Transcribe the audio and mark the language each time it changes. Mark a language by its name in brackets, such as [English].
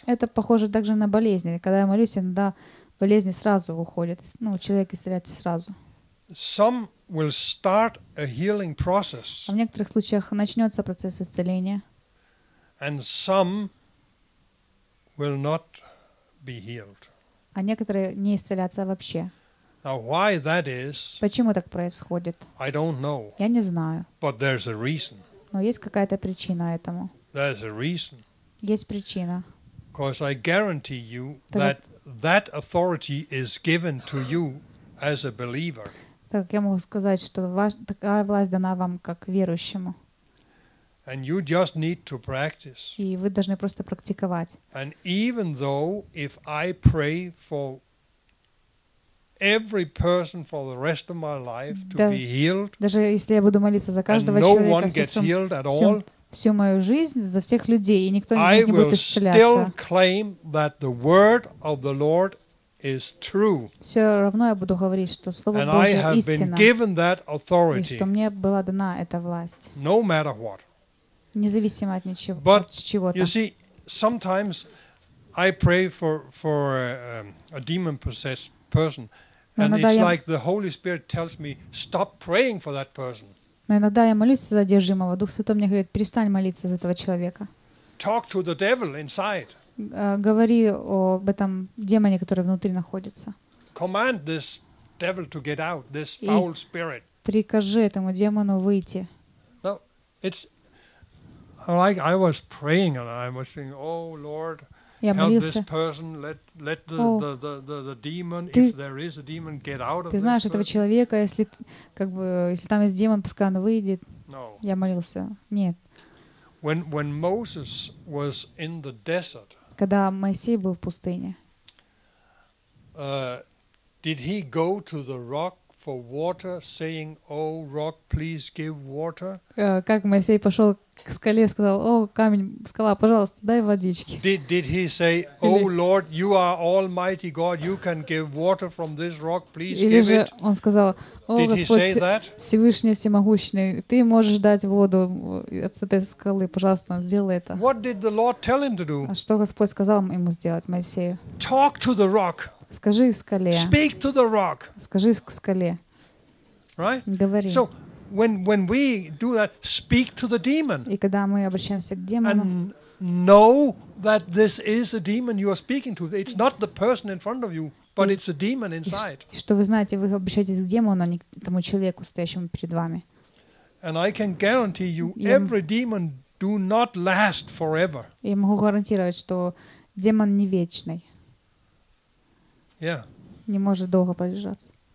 [Russian] Это похоже также на болезни. Когда я молюсь, иногда болезни сразу уходят. Человек исцеляется сразу. [English] Some will start a healing process. [Russian] А в некоторых случаях начнется процесс исцеления. [English] And some will not be healed. [Russian] А некоторые не исцелятся вообще. [English] Now why that is? [Russian] Почему так происходит? [English] I don't know. [Russian] Я не знаю. [English] But there's a reason. [Russian] Но есть какая-то причина этому. [English] There's a reason. [Russian] Есть причина. [English] Because I guarantee you that authority is given to you as a believer. [Russian] Так я могу сказать, что такая власть дана вам как верующему. [English] And you just need to practice. [Russian] И вы должны просто практиковать. [English] And even though if I pray for every person for the rest of my life to be healed. [Russian] Даже если я буду молиться за каждого человека, [English] and no one gets healed at all. [Russian] Всю мою жизнь за всех людей, и никто из них не будет исцеляться. [English] Still claim that the word of the Lord is true. [Russian] Все равно я буду говорить, что Слово [English] and [Russian] Божье [English] I have [Russian] истина. [English] Been given that authority, [Russian] и что мне была дана эта власть. [English] No matter what. [Russian] Независимо от ничего, [English] but [Russian] от чего-то. [English] You see, sometimes I pray for a demon-possessed person, and it's like the Holy Spirit tells me, stop praying for that person. [Russian] Но иногда я молюсь за задержимого. Дух Святой мне говорит, перестань молиться за этого человека. [English] Talk to the devil inside. [Russian] Говори об этом демоне, который внутри находится. [English] Command this devil to get out, this foul spirit. [Russian] Прикажи этому демону выйти. [English] No, it's like I was praying and I was saying, "Oh Lord, help this person. Let the demon, if there is a demon, get out of this." [Russian] Ты знаешь этого человека, если как бы если там есть демон, пускай он выйдет. [English] No. [Russian] Я молился. Нет. [English] When Moses was in the desert. [Russian] Когда Моисей был в пустыне. [English] Did he go to the rock for water, saying, "Oh rock, please give water"? [Russian] Как Моисей пошел к скале, сказал: "О камень, скала, пожалуйста, дай водички"? [English] Did he say, "Oh Lord, you are Almighty God, you can give water from this rock, please give it"? [Russian] Или же он сказал: "О Господь, Всевышний, Всемогущий, ты можешь дать воду от этой скалы, пожалуйста, сделай это"? [English] What did the Lord tell him to do? [Russian] А что Господь сказал ему сделать Моисею? [English] Talk to the rock. [Russian] Скажи скале. [English] Speak to the rock. [Russian] Скажи к скале. [English] Right? [Russian] Говори. [English] So when we do that, speak to the demon. [Russian] И когда мы обращаемся к демону. [English] And know that this is a demon you are speaking to. It's not the person in front of you, but it's a demon inside. [Russian] И что вы знаете, вы обращаетесь к демону, а не к тому человеку, стоящему перед вами. [English] And I can guarantee you, every demon do not last forever. [Russian] Я могу гарантировать, что демон не вечный. [English] Yeah. [Russian] Не может долго продержаться.